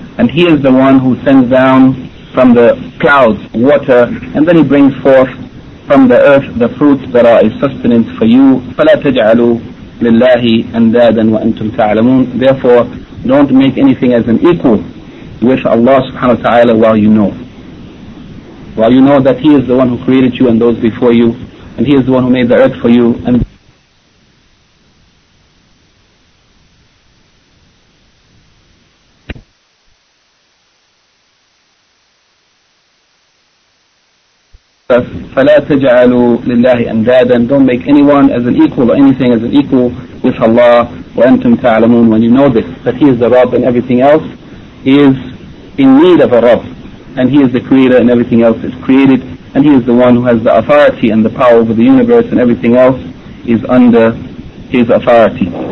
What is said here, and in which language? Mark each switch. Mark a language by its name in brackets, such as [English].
[English] And He is the one who sends down from the clouds water, and then He brings forth from the earth the fruits that are a sustenance for you. [Arabic] فَلَا تَجْعَلُوا لِلَّهِ أَنْدَادًا وَأَنْتُمْ تَعْلَمُونَ. [English] Therefore, don't make anything as an equal with Allah subhanahu wa ta'ala while you know. While you know that He is the one who created you and those before you, and He is the one who made the earth for you. And [Arabic] فَلَا تَجْعَلُوا لِلَّهِ أَنْدَادًا. [English] Don't make anyone as an equal or anything as an equal with Allah. [Arabic] وَأَنْتُمْ تَعْلَمُونَ. [English] When you know this, that He is the Rabb and everything else is in need of a Rabb, and He is the creator and everything else is created, and He is the one who has the authority and the power over the universe, and everything else is under His authority.